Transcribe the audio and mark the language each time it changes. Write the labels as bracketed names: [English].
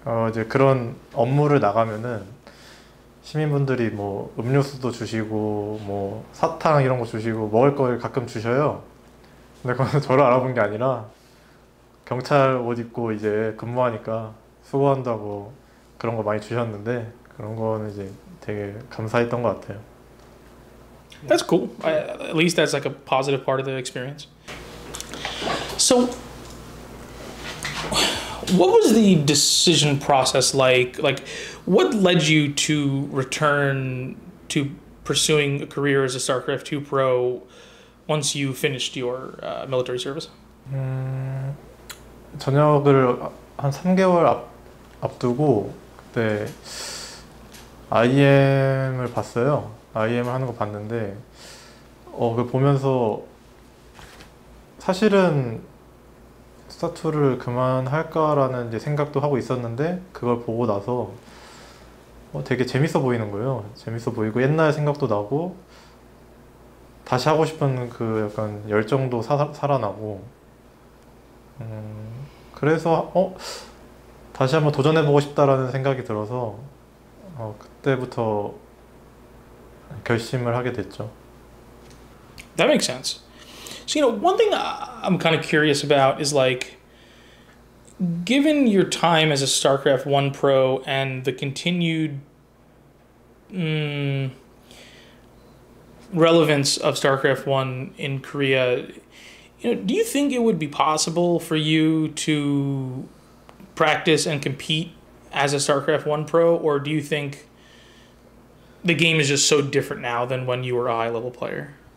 [Korean] 이제 그런 업무를 나가면은 시민분들이 뭐 음료수도 주시고 뭐 사탕 이런 거 주시고 먹을 걸 가끔 주셔요. 근데 그거는 저를 알아본 게 아니라 경찰 옷 입고 이제 근무하니까 수고한다고 그런 거 많이 주셨는데 그런 거는 이제 되게 감사했던 것 같아요. [English] That's cool. At least that's like a positive part of the experience. So, what was the decision process like? Like, what led you to return to pursuing a career as a StarCraft 2 pro once you finished your military service? [Korean] 전역을 한 3개월 앞두고 그때 IEM을 봤어요. IEM을 하는 거 봤는데 그 보면서 사실은 스타투를 그만할까라는 이제 생각도 하고 있었는데 그걸 보고 나서 되게 재밌어 보이는 거예요. 재밌어 보이고 옛날 생각도 나고 다시 하고 싶은 그 약간 열정도 살아나고 그래서 다시 한번 도전해보고 싶다라는 생각이 들어서 그때부터 결심을 하게 됐죠. [English] That makes sense. So, one thing I'm kind of curious about is like, given your time as a StarCraft 1 pro and the continued relevance of StarCraft 1 in Korea, do you think it would be possible for you to practice and compete as a StarCraft 1 pro, or do you think the game is just so different now than when you were a high level player?